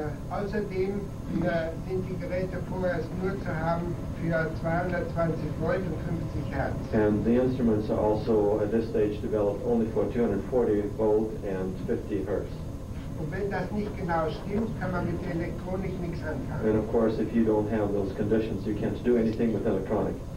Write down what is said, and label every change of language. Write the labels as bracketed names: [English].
[German] Außerdem sind die Geräte vorher nur zu haben für 220 Volt und 50 Hertz. [English] And the instruments are also at this stage developed only for 240 Volt and 50 Hertz. [German] Und wenn das nicht genau stimmt, kann man mit der Elektronik nichts anfangen. [English] And of course, if you don't have those conditions, you can't do anything with electronic.